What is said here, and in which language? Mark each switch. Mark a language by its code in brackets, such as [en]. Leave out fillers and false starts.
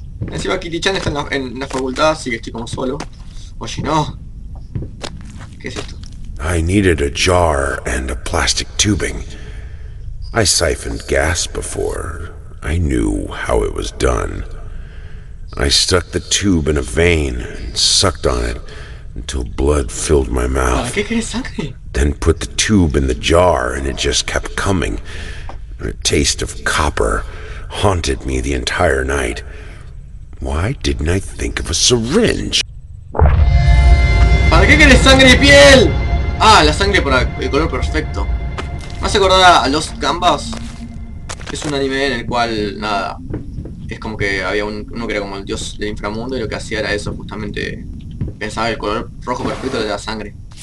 [es] Encima Kitty-chan está en la facultad, así que estoy como solo. Oye, no. ¿Qué es esto? [en] I needed a jar and a plastic tubing. I siphoned gas before. I knew how it was done. I stuck the tube in a vein and sucked on it until blood filled my mouth. [es] ¿Qué quieres sacar? [en] Then put the tube in the jar and it just kept coming. A taste of copper haunted me the entire night. Why didn't I think of a syringe? [es] ¿Para qué quieres sangre y piel? Ah, la sangre para el color perfecto. ¿Me hace acordar a Lost Gambas? Es un anime en el cual, nada, es como que había uno que era como el dios del inframundo y lo que hacía era eso, justamente pensaba el color rojo perfecto de la sangre.